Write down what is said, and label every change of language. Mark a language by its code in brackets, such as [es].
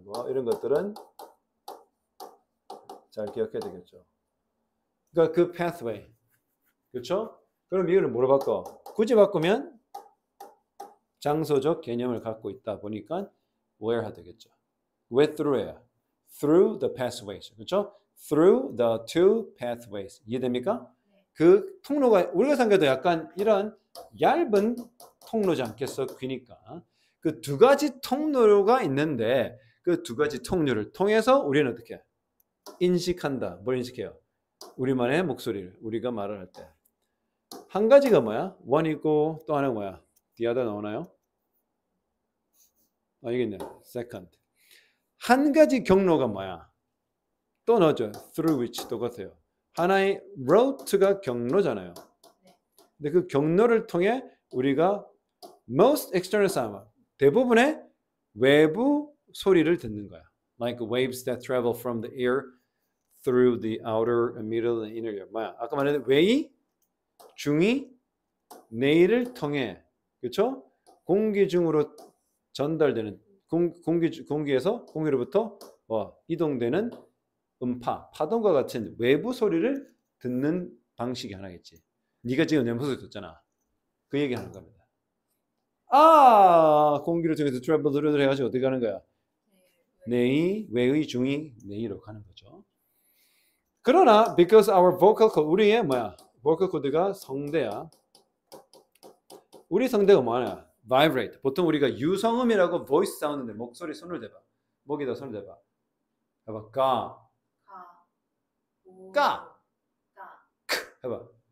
[ko] 뭐 이런 것들은 잘 기억해야 되겠죠. 그러니까 그 pathway. 그렇죠? 그럼 이걸 뭐로 바꿔? 굳이 바꾸면 장소적 개념을 갖고 있다 보니까 where 하 되겠죠. [en] Where through야. Through the pathways, [ko] 그렇죠? [en] Through the two pathways, [ko] 이해됩니까? 그 통로가 우리가 생각해도 약간 이런 얇은 통로지 않겠어? 귀니까 그 두 가지 통로가 있는데 그 두 가지 통로를 통해서 우리는 어떻게 인식한다? 뭘 인식해요? 우리만의 목소리를 우리가 말을 할 때 한 가지가 뭐야? One 있고 또 하나 뭐야? [en] The other 나오나요? [ko] 아 이게 있네. Second. 한 가지 경로가 뭐야? 또 넣어줘. [en] Through which [ko] 똑같아요. 하나의 route가 경로잖아요. 근데 그 경로를 통해 우리가 [en] Most external sound. [ko] 대부분의 외부 소리를 듣는 거야. [en] Like waves that travel from the ear through the outer and middle and inner ear. [ko] 뭐야? 아까 말했던 외이, 중이, 내이를 통해, 그렇죠? 공기 중으로 전달되는 공기에서 공기로부터 이동되는 음파, 파동과 같은 외부 소리를 듣는 방식이 하나겠지. 네가 지금 내 모습을 듣잖아. 그 얘기 하는 겁니다. 아, 공기를 통해서 트래블 드르르 해가지고 어디 가는 거야? 내이, 외의, 중이, 내이로 가는 거죠. [en] 그러나 because our vocal cord, [ko] 우리의 뭐야? vocal cord가 성대야. 우리 성대가 뭐하냐? vibrate. 보통 우리가 유성음이라고 voice 사운드인데 목소리 손을 대봐. 목에다 손을 대봐. 해봐. 가. 가. 크. 해봐.